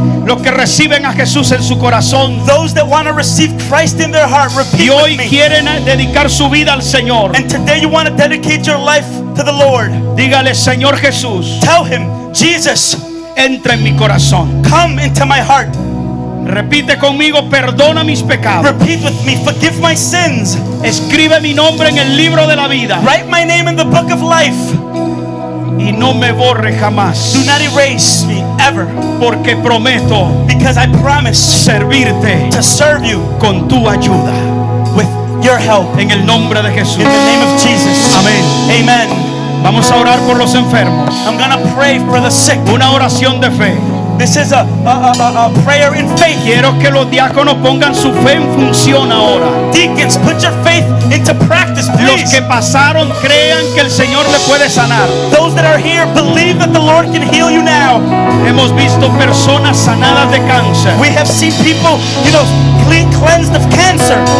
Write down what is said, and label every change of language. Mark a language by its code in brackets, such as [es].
[es] Los que reciben a Jesús en su corazón. [en] Those that want to receive Christ in their heart, repeat with me. [es] Y hoy quieren dedicar su vida al Señor. [en] And today you want to dedicate your life to the Lord. [es] Dígale, Señor Jesús. [en] Tell him, Jesus. [es] Entra en mi corazón. [en] Come into my heart. [es] Repite conmigo, perdona mis pecados. [en] Repeat with me, forgive my sins. [es] Escribe mi nombre en el libro de la vida. [en] Write my name in the book of life. [es] Y no me borre jamás. [en] Do not erase me ever. [es] Porque prometo. [en] Because I promise. [es] Servirte. [en] To serve you. [es] Con tu ayuda. [en] With your help. [es] En el nombre de Jesús. [en] In the name of Jesus. [es] Amén. [en] Amen. [es] Vamos a orar por los enfermos. [en] I'm gonna pray for the sick. [es] Una oración de fe. [en] This is a prayer in faith. [es] Quiero que los diáconos pongan su fe en función ahora. [en] Deacons, put your faith into practice, please. [es] Los que pasaron, crean que el Señor le puede sanar. [en] Those that are here, believe that the Lord can heal you now. [es] Hemos visto personas sanadas de cáncer. [en] We have seen people, you know, cleansed of cancer.